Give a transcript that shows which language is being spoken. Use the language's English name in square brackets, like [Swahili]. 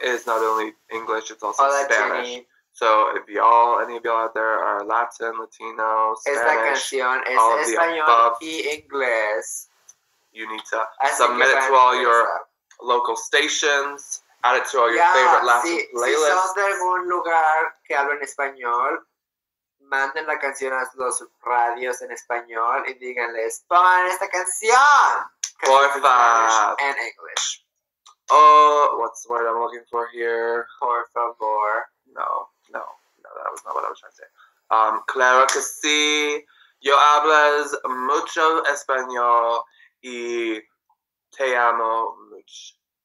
[English] is not only English, it's also Spanish. So, if y'all, any of y'all out there are Latin, Latino, Spanish, [Spanish] es la canción, es [English] all of the above, [Spanish] y English. [English] You need to submit it to all your local stations, add it to all your favorite Latin playlists. [Spanish] Si son de algún lugar que hablan español, manden la canción a los radios en español y díganles, pongan esta canción. Por favor. En English. [English] Oh, what's the word I'm looking for here? [Spanish] Por favor. [English] No, that was not what I was trying to say. [Spanish] Claro que sí. Yo hablas mucho español y te amo mucho.